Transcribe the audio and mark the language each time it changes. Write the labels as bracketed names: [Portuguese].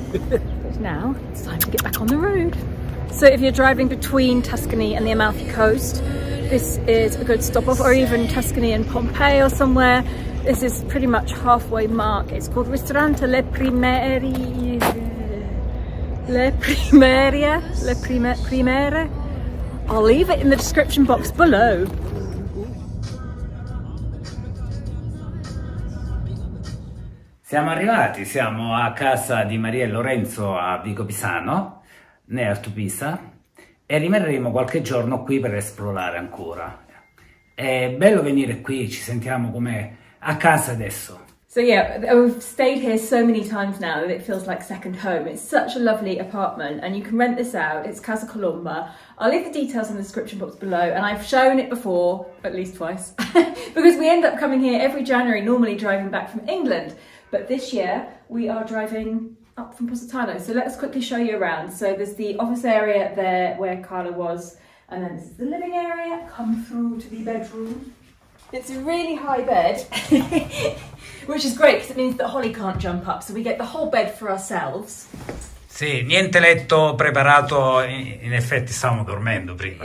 [English] But now it's time to get back on the road. So if you're driving between Tuscany and the Amalfi coast, this is a good stop off, or even Tuscany and Pompeii or somewhere. This is pretty much halfway mark. It's called Ristorante Le Primare. I'll leave it in the description box below. [Italian] Siamo arrivati, siamo a casa di Maria e Lorenzo a Vico Pisano, né a Tupisa, e rimarremo qualche giorno qui per esplorare ancora. È bello venire qui, ci sentiamo come a casa adesso. [English] So yeah, we've stayed here so many times now that it feels like second home. It's such a lovely apartment and you can rent this out. It's Casa Colomba. I'll leave the details in the description box below, and I've shown it before, at least twice, because we end up coming here every January, normally driving back from England. But this year we are driving up from Positano. So let us quickly show you around. So there's the office area there where Carla was, and then this is the living area. Come through to the bedroom. It's a really high bed, which is great because it means that Holly can't jump up, so we get the whole bed for ourselves. [Italian] Sì, niente letto preparato, in effetti stavamo dormendo prima,